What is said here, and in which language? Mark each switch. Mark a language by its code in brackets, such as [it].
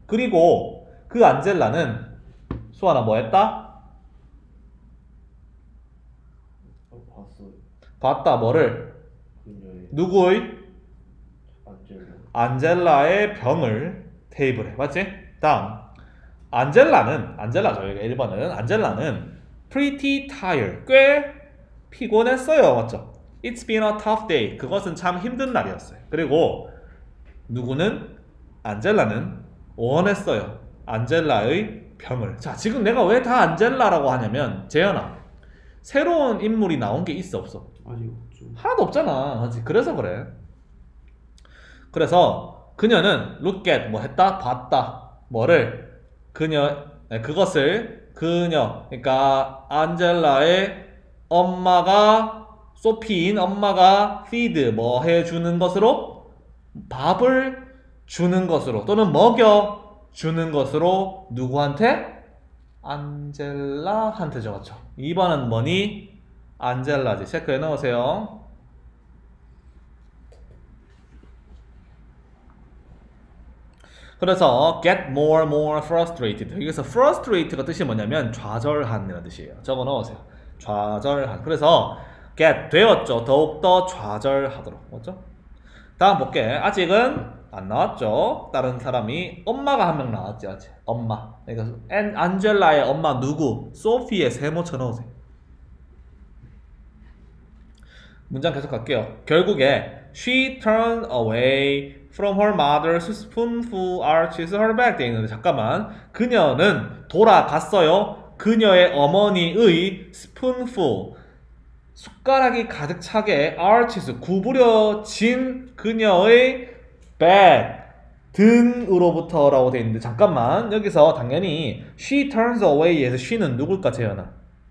[ko] 그리고 그 안젤라는 수아나 뭐 했다? 봤다. 뭐를? 누구의? 안젤라의 병을 테이블에. 맞지? 다음. 안젤라죠. 1번은. 안젤라는 [en] pretty tired. [ko] 꽤 피곤했어요. 맞죠? [en] It's been a tough day. [ko] 그것은 참 힘든 날이었어요. 그리고 누구는? 안젤라는 원했어요. 안젤라의 병을. 자, 지금 내가 왜 다 안젤라라고 하냐면, 재현아, 새로운 인물이 나온 게 있어 없어? 아직 없죠. 하나도 없잖아. 아직. 그래서 그래. 그래서 그녀는 [en] look at [ko] 뭐 했다? 봤다. 뭐를? 그녀 그것을 그녀, 그러니까 안젤라의 엄마가 소피인 엄마가 피드 뭐 해주는 것으로 밥을 주는 것으로 또는 먹여 주는 것으로 누구한테? 안젤라한테죠, 그렇죠? 2번은 뭐니? 안젤라지. 체크해 놓으세요. 그래서 [en] get more and more frustrated. [ko] 여기서 frustrated가 뜻이 뭐냐면 좌절한이라는 뜻이에요. 적어 넣으세요. 좌절한. 그래서 get 되었죠. 더욱더 좌절하도록. 맞죠? 다음 볼게. 아직은 안 나왔죠. 다른 사람이 엄마가 한 명 나왔지. 아직. 엄마. 그러니까 안젤라의 엄마 누구? 소피의 세모 쳐 넣으세요. 문장 계속 갈게요. 결국에 [en] she turned away from her mother's spoonful arches her back [ko] 돼 있는데 잠깐만 그녀는 돌아갔어요. 그녀의 어머니의 spoonful 숟가락이 가득 차게 [en] arches [ko] 구부려진 그녀의 back 등으로부터라고 돼 있는데 잠깐만 여기서 당연히 she turns away에서 she는 누굴까 재현아?